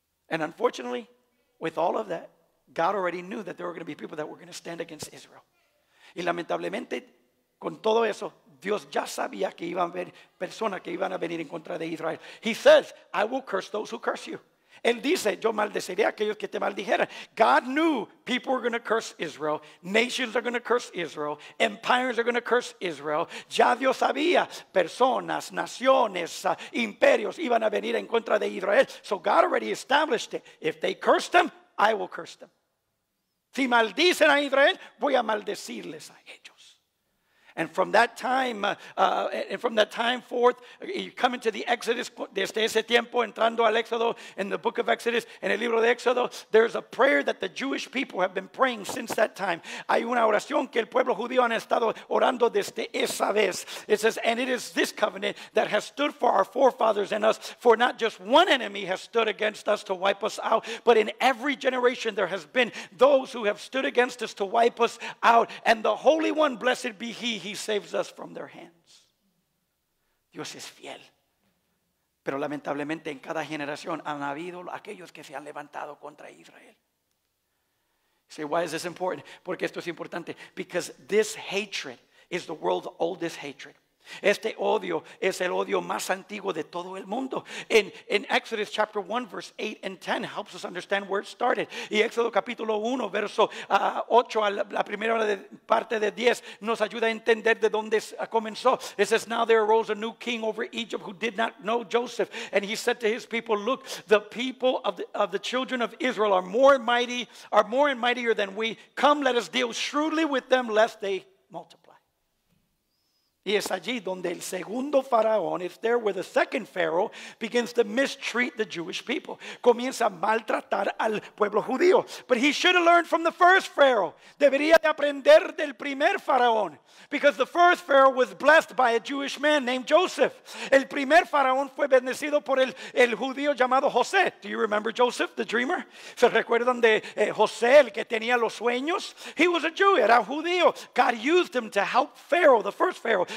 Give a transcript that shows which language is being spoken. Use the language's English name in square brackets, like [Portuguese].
[English] And unfortunately, with all of that, God already knew that there were going to be people that were going to stand against Israel. [Spanish] Y lamentablemente, con todo eso, Dios ya sabía que iban a haber personas que iban a venir en contra de Israel. [English] He says, I will curse those who curse you. [Spanish] Él dice, yo maldeceré a aquellos que te maldijeran. [English] God knew people were going to curse Israel. Nations are going to curse Israel. Empires are going to curse Israel. [Spanish] Ya Dios sabía, personas, naciones, imperios iban a venir en contra de Israel. [English] So God already established it. If they curse them, I will curse them. [Spanish] Si maldicen a Israel, voy a maldecirles a ellos. [English] And from that time, forth, you come into the Exodus, [Spanish] desde ese tiempo, entrando al Éxodo, [English] in the book of Exodus, [Spanish] en el libro de Éxodo, [English] there's a prayer that the Jewish people have been praying since that time. [Spanish] Hay una oración que el pueblo judío han estado orando desde esa vez. [English] It says, and it is this covenant that has stood for our forefathers and us, for not just one enemy has stood against us to wipe us out, but in every generation there has been those who have stood against us to wipe us out, and the Holy One, blessed be He, He saves us from their hands. [Spanish] Dios es fiel. Pero lamentablemente en cada generación han habido aquellos que se han levantado contra Israel. [English] Say, why is this important? [Spanish] Porque esto es importante. [English] Because this hatred is the world's oldest hatred. [Spanish] Este odio es el odio más antiguo de todo el mundo. [English] In Exodus chapter 1 verse 8 and 10 helps us understand where it started. [Spanish] Y Éxodo capítulo 1 verso 8 a la primera parte de 10 nos ayuda a entender de dónde comenzó. [English] It says, now there arose a new king over Egypt who did not know Joseph, and he said to his people, look, the people of the children of Israel are more and mightier than we. Come, let us deal shrewdly with them lest they multiply. [Spanish] Y es allí donde el segundo faraón, [English] it's there where the second pharaoh begins to mistreat the Jewish people. [Spanish] Comienza a maltratar al pueblo judío. [English] But he should have learned from the first pharaoh. [Spanish] Debería de aprender del primer faraón. [English] Because the first pharaoh was blessed by a Jewish man named Joseph. El primer faraón fue bendecido por el judío llamado José. Do you remember Joseph, the dreamer? [Spanish] ¿Se recuerdan de José, el que tenía los sueños? [English] He was a Jew, [Spanish] era judío. [English] God used him to help Pharaoh, the first pharaoh.